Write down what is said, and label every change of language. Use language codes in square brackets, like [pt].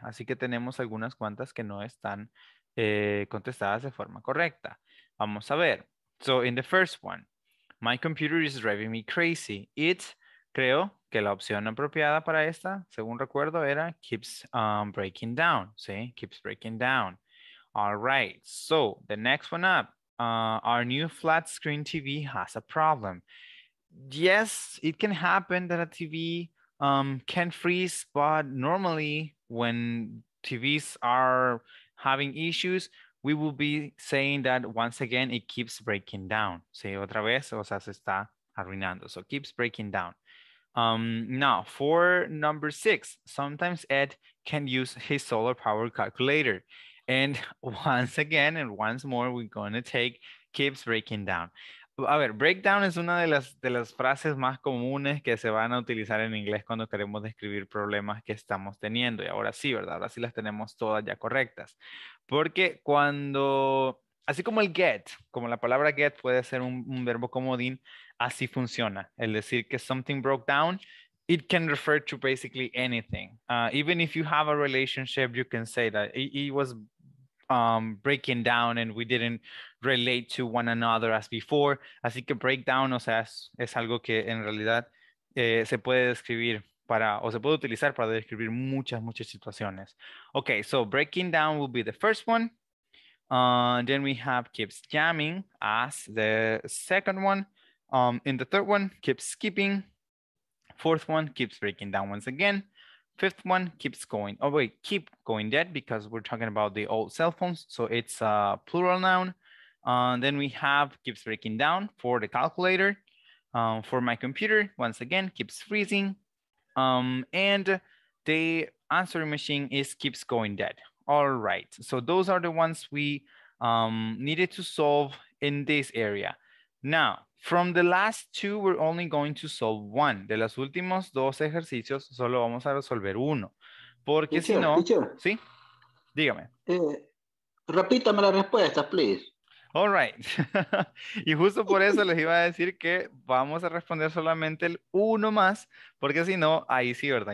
[es] Así que tenemos algunas cuantas que no están contestadas de forma correcta. Vamos a ver. [en] So in the first one. My computer is driving me crazy. [es] It, creo que la opción apropiada para esta, según recuerdo, era [en] keeps breaking down. [es] ¿Sí? [en] Keeps breaking down. All right. So, the next one up. Our new flat screen TV has a problem. Yes, it can happen that a TV can freeze, but normally when TVs are having issues, we will be saying that once again, it keeps breaking down. [es] Sí, otra vez, o sea, se está arruinando. [en] So keeps breaking down. Now, for number 6, sometimes Ed can use his solar power calculator. And once again, and once more, we're gonna take keeps breaking down. [es] A ver, breakdown es una de las frases más comunes que se van a utilizar en inglés cuando queremos describir problemas que estamos teniendo. Y ahora sí, ¿verdad? Ahora sí las tenemos todas ya correctas. Porque cuando, así como el get, como la palabra get puede ser un verbo comodín, así funciona. El decir que [en] something broke down, it can refer to basically anything. Even if you have a relationship, you can say that it was breaking down and we didn't relate to one another as before. [es] Así que breakdown, o sea, es algo que en realidad se puede describir para, o se puede utilizar para describir muchas, muchas situaciones. [en] Okay, so breaking down will be the first one. Then we have keeps jamming as the second one. In the third one, keeps skipping. Fourth one, keeps breaking down once again. Fifth one, keeps going, oh wait, keep going dead because we're talking about the old cell phones. So it's a plural noun. Then we have keeps breaking down for the calculator. For my computer, once again, keeps freezing. And the answering machine is keeps going dead. All right, so those are the ones we needed to solve in this area. Now, from the last two, we're only going to solve one. [es] De los últimos dos ejercicios, solo vamos a resolver uno. Porque [en] teacher, [es] si no... [en] Teacher. [es] Sí, dígame. Repítame la respuesta, [en] please. All right. [es] Y justo por eso les iba a decir que vamos a responder solamente el uno más, porque si no, ahí sí, ¿verdad?